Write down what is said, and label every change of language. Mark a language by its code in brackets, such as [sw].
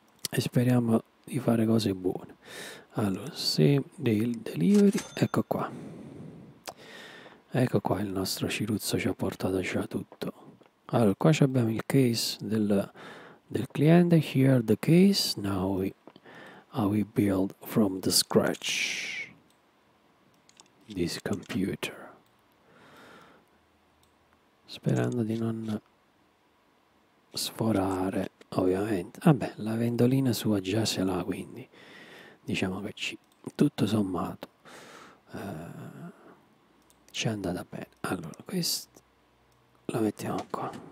[it] E speriamo di fare cose buone. Allora, se del delivery, ecco qua. Ecco qua, il nostro Ciruzzo ci ha portato già tutto. Allora, qua abbiamo il case del cliente. [en] Here the case. Now we build from the scratch this computer. [it] Sperando di non sforare, ovviamente. Vabbè, la vendolina sua già ce l'ha, quindi. Diciamo che ci tutto sommato ci è andata bene. Allora, questo lo mettiamo qua.